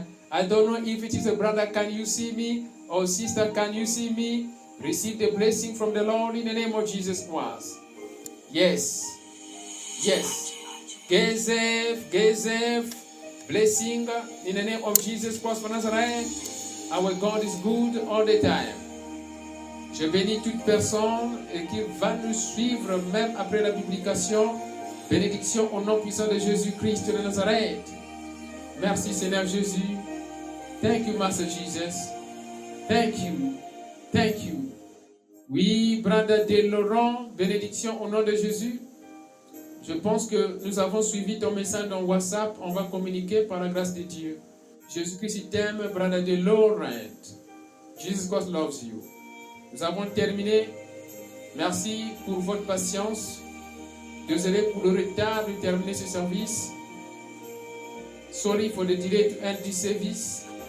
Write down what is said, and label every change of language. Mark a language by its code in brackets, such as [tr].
[en] I don't know if it is a brother, can you see me? Or sister, can you see me? Receive the blessing from the Lord in the name of Jesus Christ. Yes. Yes. Gezef, Gezef. Blessing in the name of Jesus Christ for Nazareth. Our God is good all the time. [fr] Je bénis toute personne qui va nous suivre même après la publication. Bénédiction au nom puissant de Jésus Christ de Nazareth. Merci Seigneur Jésus. [en] Thank you, Master Jesus. Thank you. Thank you. [fr] Oui, Brother De Laurent, bénédiction au nom de Jésus. Je pense que nous avons suivi ton message dans WhatsApp. On va communiquer par la grâce de Dieu. Jésus-Christ t'aime, Brother De Laurent. [en] Jesus God loves you. [fr] Nous avons terminé. Merci pour votre patience. Désolé pour le retard de terminer ce service. [en] Sorry for the delay to end this service.